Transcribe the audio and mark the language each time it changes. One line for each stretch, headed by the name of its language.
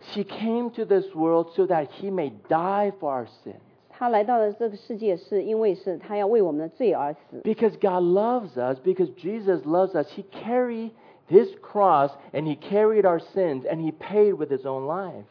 English: He came to this world so that he may die for our sins.
Chinese: 他来到了这个世界是因为他要为我们的罪而死。
English: Because God loves us, because Jesus loves us, he carried his cross and he carried our sins and he paid with his own life.